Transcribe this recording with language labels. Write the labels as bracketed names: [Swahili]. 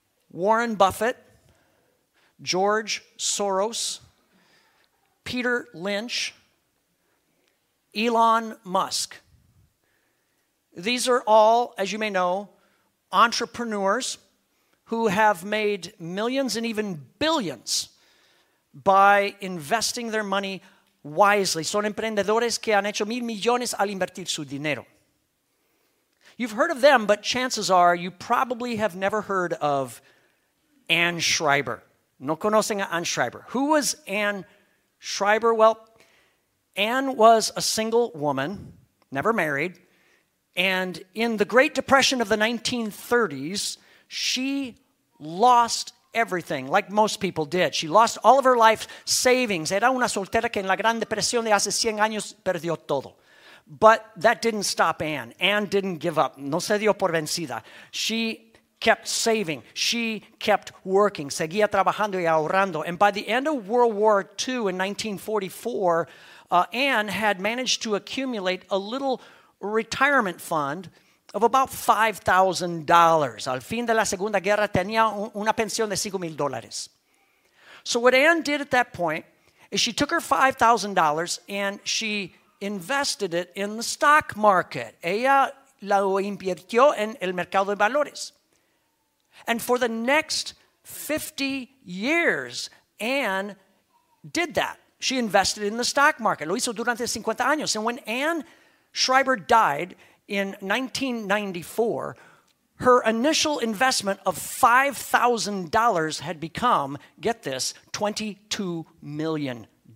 [English] Warren Buffett, George Soros, Peter Lynch, Elon Musk. These are all, as you may know, entrepreneurs who have made millions and even billions by investing their money wisely. [Spanish] Son emprendedores que han hecho mil millones al invertir su dinero. [English] You've heard of them, but chances are you probably have never heard of Anne Schreiber. [Spanish] No conocen a Anne Schreiber. [English] Who was Anne Schreiber? Well, Anne was a single woman, never married, and in the Great Depression of the 1930s, she lost everything, like most people did. She lost all of her life savings. [Spanish] Era una soltera que en la Gran Depresión de hace 100 años perdió todo. [English] But that didn't stop Anne. Anne didn't give up. [Spanish] No se dio por vencida. [English] She kept saving. She kept working. [Spanish] Seguía trabajando y ahorrando. [English] And by the end of World War II in 1944, Anne had managed to accumulate a little retirement fund of about $5,000. [Spanish] Al fin de la Segunda Guerra tenía una pensión de $5,000. [English] So what Anne did at that point is she took her $5,000 and she invested it in the stock market. [Spanish] Ella lo invirtió en el mercado de valores. [English] And for the next 50 years, Anne did that. She invested in the stock market. [Spanish] Lo hizo durante 50 años. [English] And when Anne Schreiber died in 1994, her initial investment of $5,000 had become, get this, $22 million.